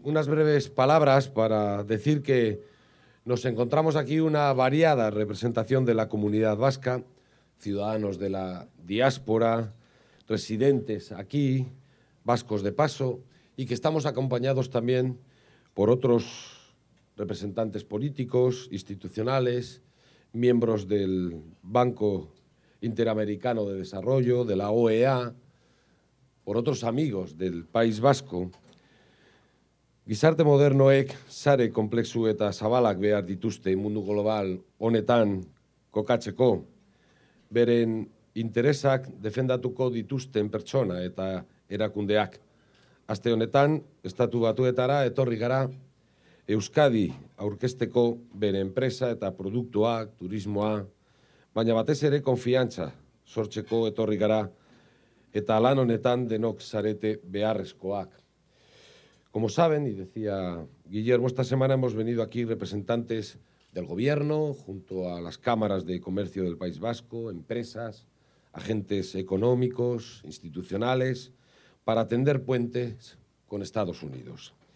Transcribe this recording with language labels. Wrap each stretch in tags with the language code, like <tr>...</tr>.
<es>Unas breves palabras para decir que nos encontramos aquí una variada representación de la comunidad vasca, ciudadanos de la diáspora, residentes aquí, vascos de paso, y que estamos acompañados también por otros representantes políticos, institucionales, miembros del Banco Interamericano de Desarrollo, de la OEA, por otros amigos del País Vasco.</es> <eu>Gizarte modernoek sare komplexu eta zabalak behar dituzte mundu global honetan kokatzeko, beren interesak defendatuko dituzten pertsona eta erakundeak. Aste honetan, Estatu Batuetara etorri gara Euskadi aurkezteko bere enpresa eta produktuak, turismoa, baina batez ere konfiantza sortzeko etorri gara eta lan honetan denok zarete beharrezkoak.</eu> <es>Como saben, y decía Guillermo, esta semana hemos venido aquí representantes del gobierno, junto a las cámaras de comercio del País Vasco, empresas, agentes económicos, institucionales, para tender puentes con Estados Unidos.</es>